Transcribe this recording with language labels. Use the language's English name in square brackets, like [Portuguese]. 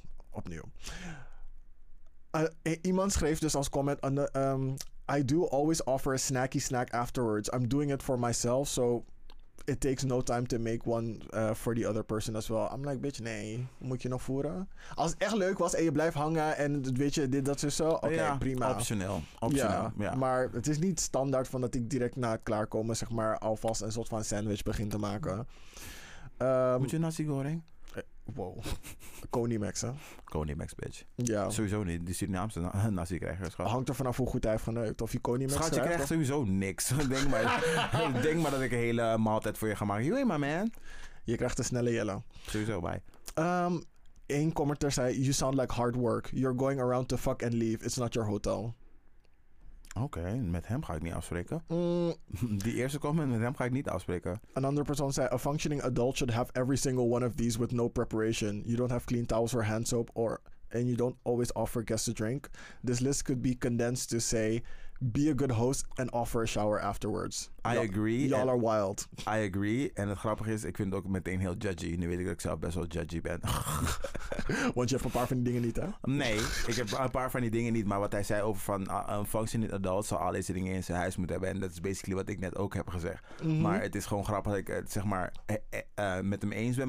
[Dutch] Opnieuw. Iemand schreef dus als comment [English] I do always offer a snacky snack afterwards. I'm doing it for myself, so it takes no time to make one for the other person as well. I'm like, bitch, [Dutch] nee, moet je nog voeren? Als het echt leuk was en je blijft hangen en weet je, dit, dat, zo, oké, okay, ja, prima. Optioneel. Maar het is niet standaard van dat ik direct na het klaarkomen zeg maar alvast een soort van sandwich begin te maken. Moet je nasi goreng? Wow. Koning Max, hè? Koning Max, bitch. Ja. Sowieso niet. Die Surinaamse nasi krijger, schat. Hangt er vanaf hoe goed hij heeft geneukt. Of je Koning Max schat, je krijgt sowieso niks. Denk maar dat ik een hele maaltijd voor je ga maken. [English] You ain't my man. [Dutch] Je krijgt een snelle yellow. Sowieso, bye. Eén commenter zei, [English] you sound like hard work. You're going around to fuck and leave. It's not your hotel. [Dutch] Oké, met hem ga ik niet afspreken. Die eerste comment, met hem ga ik niet afspreken. Een andere persoon zei, [English] a functioning adult should have every single one of these with no preparation. You don't have clean towels or hand soap and you don't always offer guests a drink. This list could be condensed to say, be a good host and offer a shower afterwards. I agree. Y'all are wild. I agree. [Dutch] En het grappige is, ik vind het ook meteen heel judgy. Nu weet ik dat ik zelf best wel judgy ben. Want je hebt een paar van die dingen niet, hè? Nee, ik heb een paar van die dingen niet. Maar wat hij zei over van een functioning adult zal al deze dingen in zijn huis moeten hebben. En dat is basically wat ik net ook heb gezegd. Mm-hmm. Maar het is gewoon grappig dat ik het zeg maar met hem eens ben.